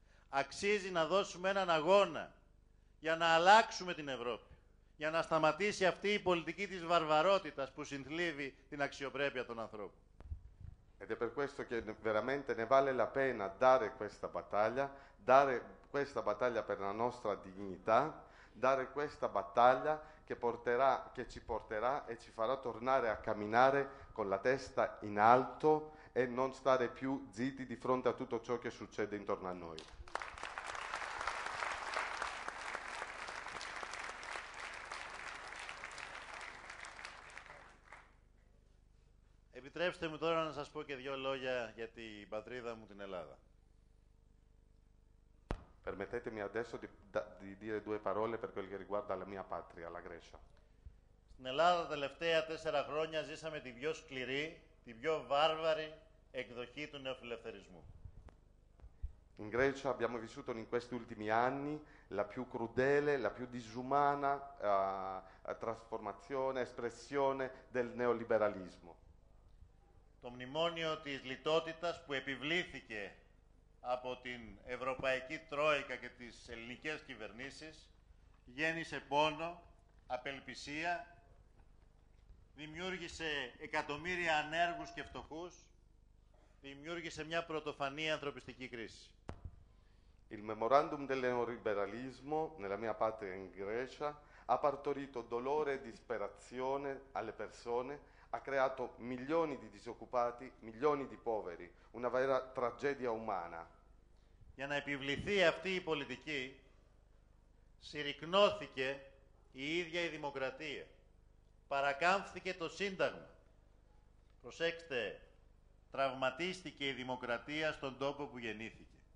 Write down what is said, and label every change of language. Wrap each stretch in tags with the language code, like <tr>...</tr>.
<el>Αξίζει να δώσουμε έναν αγώνα για να αλλάξουμε την Ευρώπη, για να σταματήσει αυτή η πολιτική της βαρβαρότητας που συνθλίβει την αξιοπρέπεια των ανθρώπων.</el> <it>Ed è per questo che veramente ne vale la pena dare questa battaglia per la nostra dignità, dare questa battaglia che ci porterà e ci farà tornare a camminare con la testa in alto e non stare più zitti di fronte a tutto ciò che succede intorno a noi.</it> <el>Επιτρέψτε μου τώρα να σας πω και δύο λόγια για την πατρίδα μου την Ελλάδα.</el> <it>Permettetemi adesso di dire due parole per quel che riguarda la mia patria, la Grecia.</it> <el>Στην Ελλάδα τα τελευταία 4 χρόνια ζήσαμε την πιο σκληρή, την πιο βάρβαρη εκδοχή του νεοφιλελευθερισμού.</el> <it>In Grecia abbiamo vissuto in questi ultimi anni la più crudele, la più disumana trasformazione, espressione del neoliberalismo.</it> <el>Το μνημόνιο της λιτότητας που επιβλήθηκε από την Ευρωπαϊκή Τρόικα και τις ελληνικές κυβερνήσεις γέννησε πόνο, απελπισία, δημιούργησε εκατομμύρια ανέργους και φτωχούς, δημιούργησε μια πρωτοφανή ανθρωπιστική κρίση.</el> <it>Il memorandum del neoliberalismo nella mia patria in Grecia ha partorito dolore e disperazione alle persone, ha creato milioni di disoccupati, milioni di poveri, una vera tragedia umana.</it> <el>Για να επιβληθεί αυτή η πολιτική, συρρυκνώθηκε η ίδια η δημοκρατία. Παρακάμφθηκε το Σύνταγμα. Προσέξτε, τραυματίστηκε η δημοκρατία στον τόπο που γεννήθηκε.</el>